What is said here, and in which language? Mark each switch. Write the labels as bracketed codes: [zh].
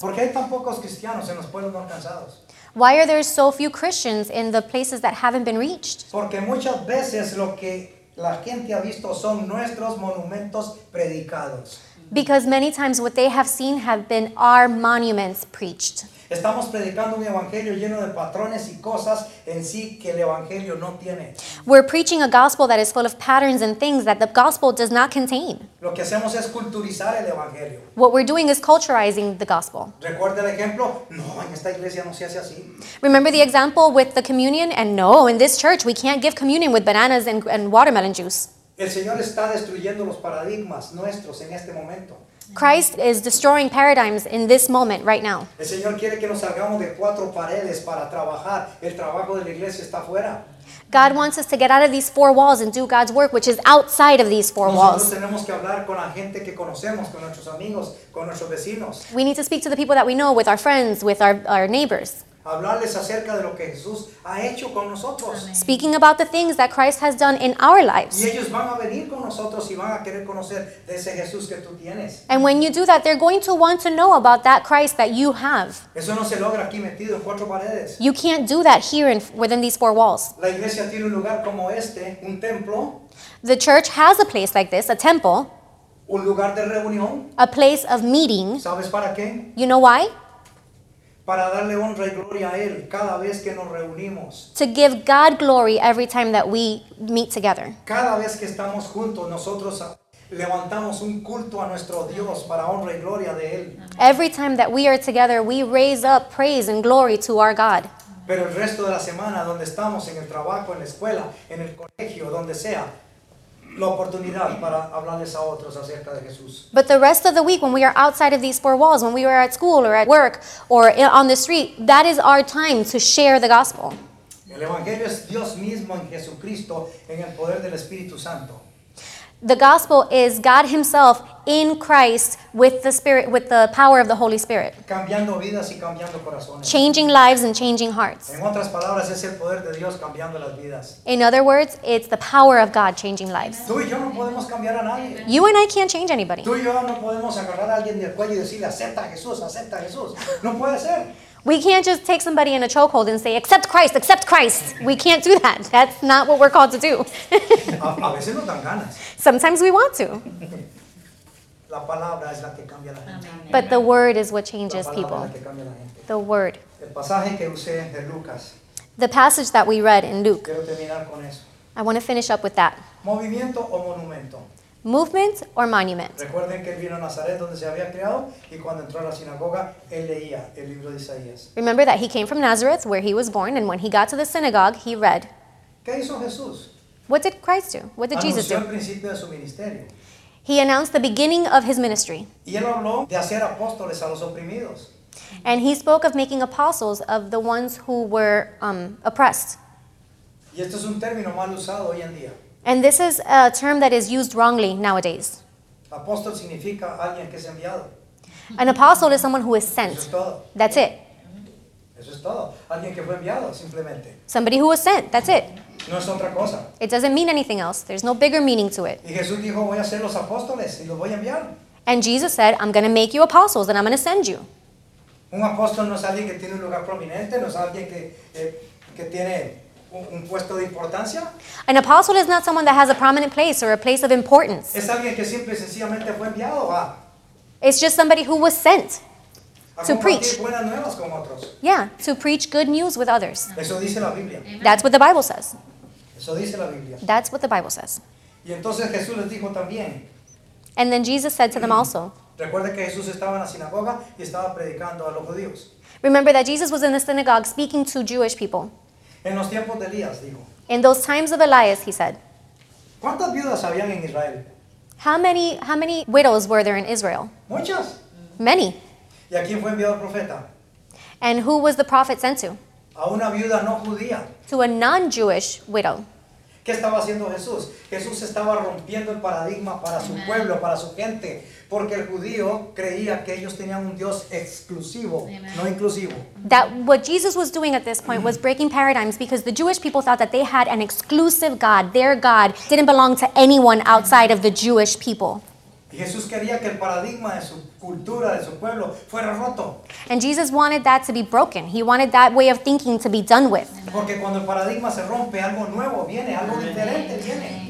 [es] ¿Por qué hay tan pocos cristianos en los pueblos no alcanzados? [en] Why are there so few Christians in the places that haven't been reached? [es] Porque muchas veces lo que la gente ha visto son nuestros monumentos predicados. [en] Because many times what they have seen have been our monuments preached. [es] Estamos predicando un evangelio lleno de patrones y cosas en sí que el evangelio no tiene. [en] We're preaching a gospel that is full of patterns and things that the gospel does not contain. [es] Lo que hacemos es culturizar el evangelio. [en] What we're doing is culturizing the gospel. [es] ¿Recuerda el ejemplo? No, en esta iglesia no se hace así. [en] Remember the example with the communion? And no, in this church we can't give communion with bananas and watermelon juice. [es] El Señor está destruyendo los paradigmas nuestros en este momento. [en] Christ is destroying paradigms in this moment, right now. [es] El Señor quiere que nos salgamos de cuatro paredes para trabajar. El trabajo de la iglesia está fuera. [en] God wants us to get out of these four walls and do God's work, which is outside of these four [es] nosotros [en] walls. [es] Tenemos que hablar con la gente que conocemos, con nuestros amigos, con nuestros vecinos. [en] We need to speak to the people that we know, with our friends, with our neighbors. [es] Hablarles acerca de lo que Jesús ha hecho con nosotros. [en] Speaking about the things that Christ has done in our lives. [es] Y ellos van a venir con nosotros y van a querer conocer de ese Jesús que tú tienes. [en] And when you do that, they're going to want to know about that Christ that you have. [es] Eso no se logra aquí metido en cuatro paredes. [en] You can't do that here within these four walls. [es] La iglesia tiene un lugar como este, un templo. [en] The church has a place like this, a temple. [es] Un lugar de reunión. [en] A place of meeting. [es] ¿Sabes para qué? [en] You know why? [es] Para darle honra y gloria a Él cada vez que nos reunimos. [en] To give God glory every time that we meet together. [es] Cada vez que estamos juntos, nosotros levantamos un culto a nuestro Dios para honra y gloria de Él. [en] Every time that we are together, we raise up praise and glory to our God. [es] Pero el resto de la semana, donde estamos, en el trabajo, en la escuela, en el colegio, donde sea, la oportunidad para hablarles a otros acerca de Jesús. [en] But the rest of the week, when we are outside of these four walls, when we are at school or at work or on the street, that is our time to share the gospel. [es] El evangelio es Dios mismo en Jesucristo, en el poder del Espíritu Santo. [en] The gospel is God himself in Christ with the Spirit, with the power of the Holy Spirit. [es] Cambiando vidas y cambiando corazones. [en] Changing lives and changing hearts. [es] En otras palabras, es el poder de Dios cambiando las vidas. [en] In other words, it's the power of God changing lives. [es] Tú y yo no podemos cambiar a nadie. [en] You and I can't change anybody. [es] Tú y yo no podemos agarrar a alguien del cuello y decirle, acepta a Jesús, acepta a Jesús. No puede ser. [en] We can't just take somebody in a chokehold and say, accept Christ, accept Christ. We can't do that. That's not what we're called to do. [es] A veces nos dan ganas. [en] Sometimes we want to. [es] La palabra es la que cambia la gente. [en] But the word is what changes people. [es] La palabra es la que cambia la gente. [en] The word. [es] El pasaje que usé de Lucas. [en] The passage that we read in Luke. [es] Quiero terminar con eso. [en] I want to finish up with that. [es] Movimiento o monumento. [en] Movement or monument. [es] Recuerden que él vino a Nazaret donde se había criado y cuando entró a la sinagoga él leía el libro de Isaías. [en] Remember that he came from Nazareth where he was born and when he got to the synagogue he read. [es] ¿Qué hizo Jesús? [en] What did Christ do? What did Jesus do? [es] Anunció el principio de su ministerio. [en] He announced the beginning of his ministry. [es] Y él habló de hacer apóstoles a los oprimidos. [en] And he spoke of making apostles of the ones who were oppressed. [es] Y esto es un término mal usado hoy en día. [en] And this is a term that is used wrongly nowadays. [es] Apostle significa alguien que es enviado. [en] An apostle is someone who is sent. [es] Eso es todo. That's it. Eso es todo. Alguien que fue enviado, simplemente. [en] Somebody who was sent. That's it. [es] No es otra cosa. [en] It doesn't mean anything else. There's no bigger meaning to it. [es] Y Jesús dijo, voy a hacer los apóstoles y los voy a enviar. [en] And Jesus said, I'm going to make you apostles and I'm going to send you. [es] Un apóstol no es alguien que tiene un lugar prominente, no es alguien que tiene... un puesto de importancia. [en] An apostle is not someone that has a prominent place or a place of importance. [es] Es alguien que simple y sencillamente fue enviado a... [en] It's just somebody who was sent to preach. [es] Buenas nuevas con otros. [en] Yeah, to preach good news with others. [es] Eso dice la Biblia. [en] That's what the Bible says. [es] Eso dice la Biblia. [en] That's what the Bible says. [es] Y entonces Jesús les dijo también. [en] And then Jesus said to them also. [es] Recuerda que Jesús estaba en la sinagoga y estaba predicando a los judíos. [en] Remember that Jesus was in the synagogue speaking to Jewish people. [es] En los tiempos de Elías, dijo. [en] In those times of Elias, he said. [es] ¿Cuántas viudas habían en Israel? [en] How many widows were there in Israel? [es] Muchas. [en] Many. [es] ¿Y a quién fue enviado el profeta? [en] And who was the prophet sent to? [es] A una viuda no judía. [en] To a non-Jewish widow. [es] ¿Qué estaba haciendo Jesús? Jesús estaba rompiendo el paradigma para su pueblo, para su gente, porque el judío creía que ellos tenían un Dios exclusivo, no inclusivo. [en] That what Jesus was doing at this point was breaking paradigms because the Jewish people thought that they had an exclusive God. Their God didn't belong to anyone outside of the Jewish people. [es] Jesús quería que el paradigma de su cultura, de su pueblo, fuera roto. [en] And Jesus wanted that to be broken. He wanted that way of thinking to be done with. [es] Porque cuando el paradigma se rompe, algo nuevo viene, algo diferente viene.